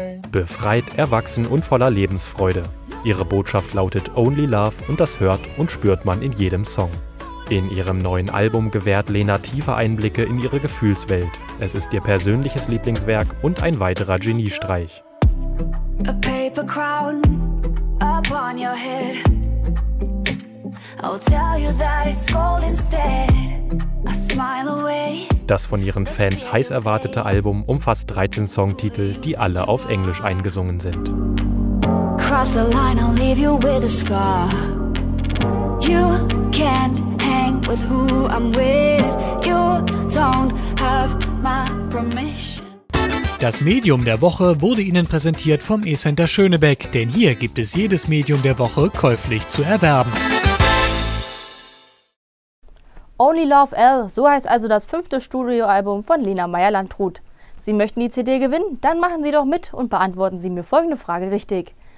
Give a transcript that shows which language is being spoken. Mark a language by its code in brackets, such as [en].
[de] Befreit, erwachsen und voller Lebensfreude. Ihre Botschaft lautet Only Love und das hört und spürt man in jedem Song. In ihrem neuen Album gewährt Lena tiefe Einblicke in ihre Gefühlswelt. Es ist ihr persönliches Lieblingswerk und ein weiterer Geniestreich. [en] A paper crown upon your head. I'll tell you that it's gold instead. A smile away. [de] Das von ihren Fans heiß erwartete Album umfasst 13 Songtitel, die alle auf Englisch eingesungen sind. [en] Cross the line, I'll leave you with a scar. You can't hang with who I'm with. You don't have my permission. [de] Das Medium der Woche wurde Ihnen präsentiert vom E-Center Schönebeck, denn hier gibt es jedes Medium der Woche käuflich zu erwerben. Only Love L, so heißt also das fünfte Studioalbum von Lena Meyer-Landrut. Sie möchten die CD gewinnen? Dann machen Sie doch mit und beantworten Sie mir folgende Frage richtig.